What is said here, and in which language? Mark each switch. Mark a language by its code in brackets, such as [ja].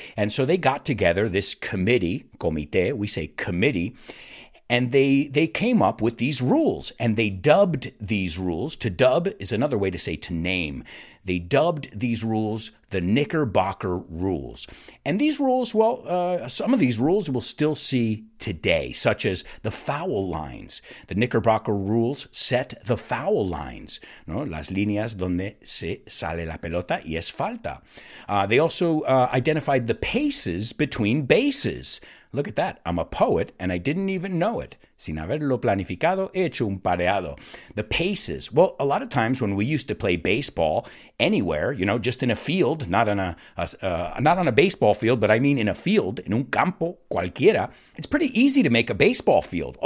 [en] And so they got together this committee, comité, we say committee, and they came up with these rules, and they dubbed these rules. To dub is another way to say to name. They dubbed these rules the Knickerbocker rules. And these rules, well, some of these rules we'll still see today, such as the foul lines. The Knickerbocker rules set the foul lines, ¿no? [es] Las líneas donde se sale la pelota y es falta. [en] They also identified the paces between bases. Look at that. I'm a poet and I didn't even know it. [es] Sin haberlo planificado, he hecho un pareado. [en] The paces. Well, a lot of times when we used to play baseball anywhere, you know, just in a field, not on a baseball field, but I mean in a field, in [es] un campo cualquiera, [en] it's pretty easy to make a baseball field.